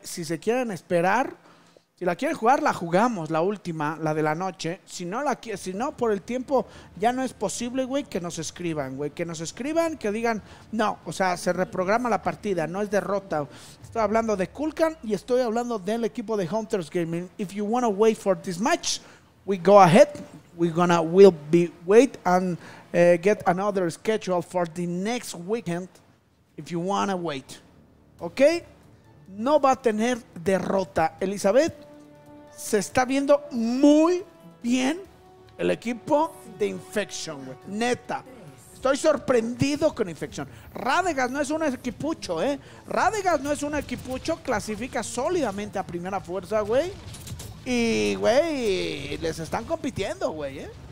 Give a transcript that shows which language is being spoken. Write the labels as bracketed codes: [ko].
[es] Si se quieren esperar, si la quieren jugar, la jugamos, la última, la de la noche. Si no, por el tiempo ya no es posible, güey, que nos escriban, güey. Que nos escriban, que digan, no, o sea, se reprograma la partida, no es derrota. Estoy hablando de Kulkan y estoy hablando del equipo de Hunters Gaming. [en] If you want to wait for this match, we go ahead. We'll wait and get another schedule for the next weekend if you want to wait. [es] ¿Ok? No va a tener derrota. Elizabeth, se está viendo muy bien el equipo de Infection, güey. Neta. Estoy sorprendido con Infection. Radegas no es un equipucho, ¿eh? Radegas no es un equipucho. Clasifica sólidamente a primera fuerza, güey. Y, güey, les están compitiendo, güey, ¿eh?